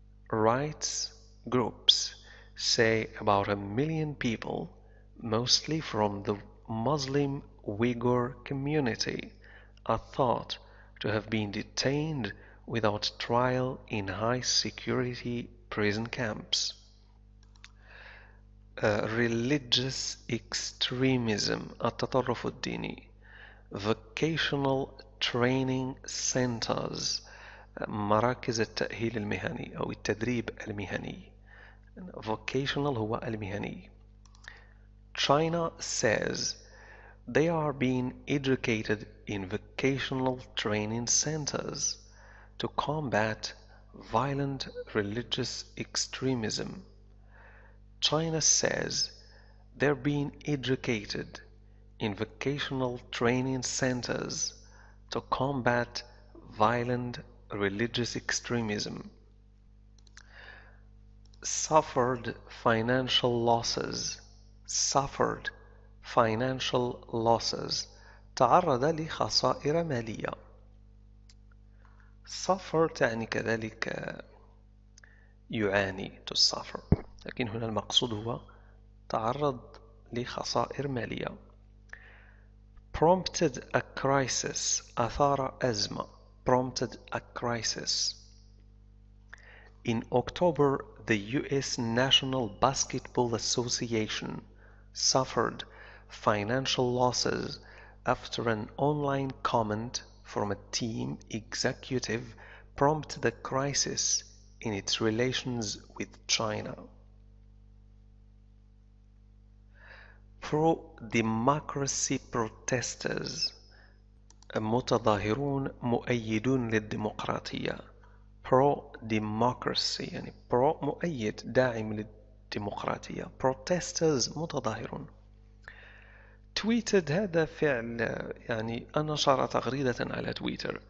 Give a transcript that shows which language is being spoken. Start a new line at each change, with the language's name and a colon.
English: Rights groups say about a million people, mostly from the Muslim Uyghur community, are thought to have been detained without trial in high security prison camps. Religious extremism, التطرف الديني. Vocational training centers, مراكز التأهيل المهني أو التدريب المهني.
Arabic: Vocational هو المهني.
English: China says they are being educated in vocational training centers to combat violent religious extremism. China says they're being educated in vocational training centers to combat violent religious extremism. Suffered financial losses. Suffered financial losses.
Arabic: تعرض لخسائر مالية. Suffer تعني كذلك يعاني to suffer. لكن هنا المقصود هو تعرض لخسائر مالية.
English: Prompted a crisis. أثار أزمة. Prompted a crisis. In October, the US National Basketball Association suffered financial losses after an online comment from a team executive prompted a crisis in its relations with China. Pro-democracy protesters, متظاهرون مؤيدون للديمقراطية.
Arabic: Pro-democracy يعني pro مؤيد داعم للديمقراطية.
English: Protesters متظاهرون.
Arabic: Tweeted هذا فعل يعني نشر تغريدة على تويتر.